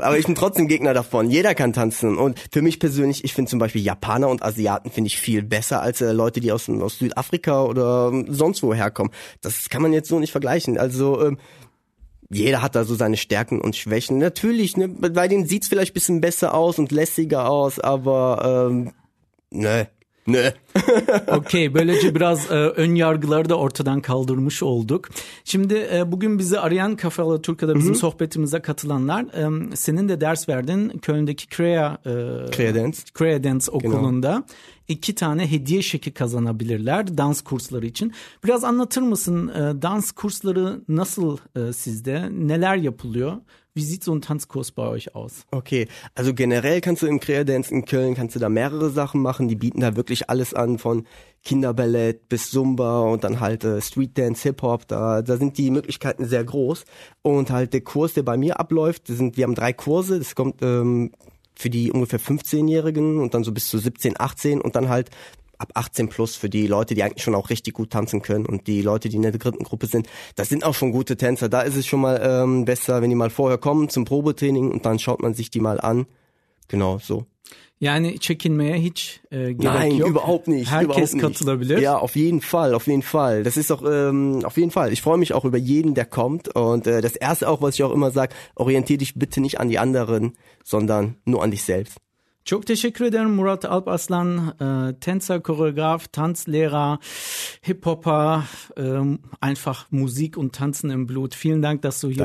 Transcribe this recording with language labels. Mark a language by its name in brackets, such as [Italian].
[German] Aber ich bin trotzdem Gegner davon. Jeder kann tanzen. Und für mich persönlich, ich finde zum Beispiel Japaner und Asiaten finde ich viel besser als Leute, die aus Südafrika oder sonst wo herkommen. Das kann man jetzt so nicht vergleichen. Also jeder hat da so seine Stärken und Schwächen. Natürlich, ne, bei denen sieht es vielleicht ein bisschen besser aus und lässiger aus, aber ne. [Turkish] Okay, böylece biraz ön yargıları da ortadan kaldırmış olduk. Şimdi bugün bizi arayan Kafalı Türk'te bizim sohbetimize katılanlar, senin de ders verdin Köln'deki Crea Dance okulunda. Genau. İki tane hediye şeki kazanabilirler dans kursları için. Biraz anlatır mısın dans kursları nasıl sizde? Neler yapılıyor? [German] Wie sieht so ein Tanzkurs bei euch aus? Okay, also generell kannst du im Crea Dance in Köln kannst du da mehrere Sachen machen. Die bieten da wirklich alles an, von Kinderballett bis Zumba und dann halt Street Dance, Hip Hop. Da sind die Möglichkeiten sehr groß. Und halt der Kurs, der bei mir abläuft, wir haben drei Kurse. Das kommt für die ungefähr 15-Jährigen und dann so bis zu 17, 18 und dann halt ab 18 plus für die Leute, die eigentlich schon auch richtig gut tanzen können und die Leute, die in der dritten Gruppe sind, das sind auch schon gute Tänzer. Da ist es schon mal besser, wenn die mal vorher kommen zum Probetraining und dann schaut man sich die mal an. Genau so. [Turkish] Yani çekinmeye hiç gerek [German] Nein, [Turkish] yok. [German] Überhaupt nicht. [Turkish] Herkes katılabilir. [German] Ja, auf jeden Fall, auf jeden Fall. Das ist auch, auf jeden Fall. Ich freue mich auch über jeden, der kommt. Und das Erste auch, was ich auch immer sage, orientiere dich bitte nicht an die anderen, sondern nur an dich selbst. [Turkish] Çok teşekkür ederim [German] Murat Alparslan, Tänzer, Choreograf, Tanzlehrer, Hip-Hopper, einfach Musik und Tanzen im Blut. Vielen Dank, dass du hier